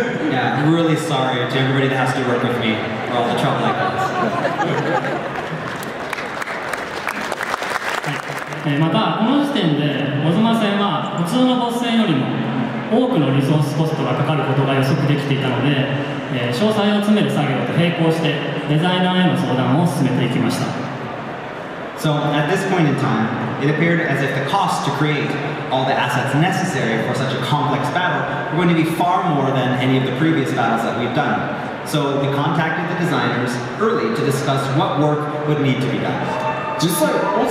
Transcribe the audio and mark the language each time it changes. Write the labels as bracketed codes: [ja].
[en] Yeah, I'm really sorry to everybody that has to work with me for all the trouble I cause. [ja] また、この時点で、小妻線は普通のボス線よりも 多くのリソースコストがかかることが予測できていたので、詳細を詰める作業と並行してデザイナーへの相談を進めていきました。So [en] at this point in time, it appeared as if the cost to create all the assets necessary for such a complex battle were going to be far more than any of the previous battles that we've done. So we contacted the designers early to discuss what work would need to be done.